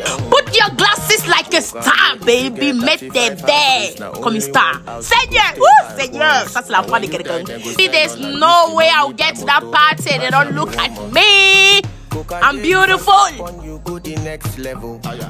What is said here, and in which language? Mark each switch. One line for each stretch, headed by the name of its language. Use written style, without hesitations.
English: Put your glasses like a star, baby.
French: Mets tes verres comme une star. Seigneur, ouh, Seigneur. Ça, c'est la voix de quelqu'un.
English: There's no way I'll get to that party. They don't look at me. I'm beautiful. You go the next level.